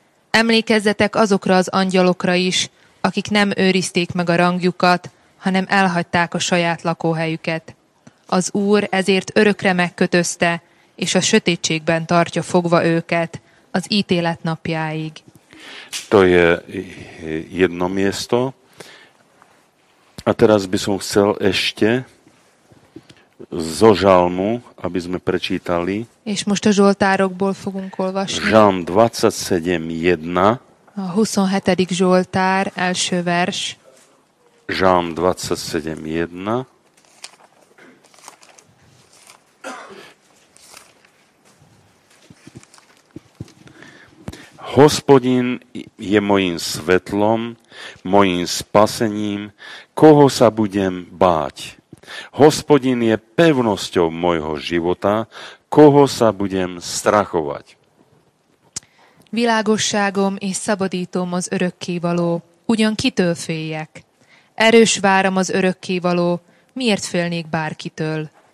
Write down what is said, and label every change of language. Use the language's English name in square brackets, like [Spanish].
[Hungarian] Emlékezzetek azokra az angyalokra is, akik nem őrizték meg a rangjukat, hanem elhagyták a saját lakóhelyüket. Az Úr ezért örökre megkötözte, és a sötétségben tartja fogva őket az ítélet napjáig. [Slovak] To je jedno miesto. A teraz by som chcel ešte zo Žalmu, aby sme prečítali. [Hungarian] És most a Zsoltárokból fogunk olvasni. [Slovak] Žalm 27.1. [Hungarian] A 27. Zsoltár, első vers. [Slovak] Žalm 27.1. Hospodin je mojím svetlom, mojím spasením, koho sa budem báť? Hospodin je pevnosťou mojho života, koho sa budem strachovať? [Hungarian] Világosságom és szabadítom az örökkévaló, ugyan kitől féljek? Erős váram az örökkévaló, miért félnék bárkitől?